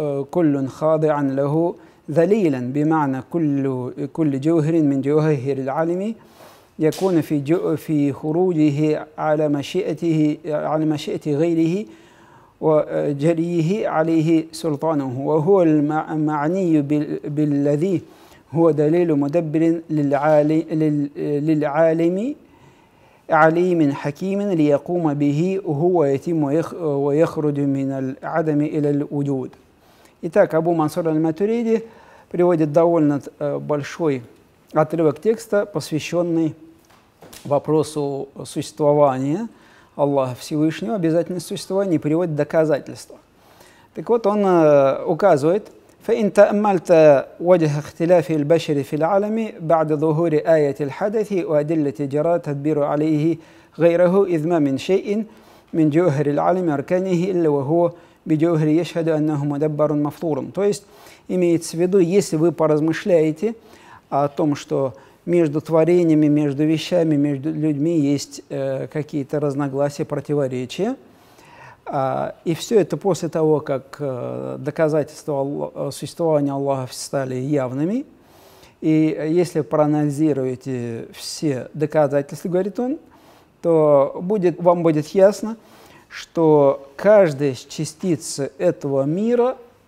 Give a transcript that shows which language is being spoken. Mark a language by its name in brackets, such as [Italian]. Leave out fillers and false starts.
[Arabic] كل خاضعا له ذليلا بمعنى كل جوهر من جواهر العالم يكون في خروجه على مشيئة غيره وجريه عليه سلطانه وهو المعني بالذي هو دليل مدبر للعالم عليم حكيم ليقوم به وهو يتم ويخرج من العدم إلى الوجود. [Russian] Итак, Абу Мансур аль-Матуриди приводит довольно большой отрывок текста, посвященный вопросу существования Аллаха Всевышнего, обязательности существования, и приводит доказательства. Так вот, он указывает: [Arabic] فإن تأملت وجه اختلاف البشر في العالم بعد ظهور آية الحدث وأدلة جرى تدبير عليه غيره إذ ما من شيء من جوهر العالم أركانه إلا وهو بجوهر يشهد أنه مدبر مفطور. [Russian] То есть, имеется в виду, если вы поразмышляете о том, что между творениями, между вещами, между людьми есть какие-то разногласия, противоречия, и все это после того, как доказательства существования Аллаха стали явными, и если проанализируете все доказательства, говорит он, то вам будет ясно, что каждая из частиц этого мира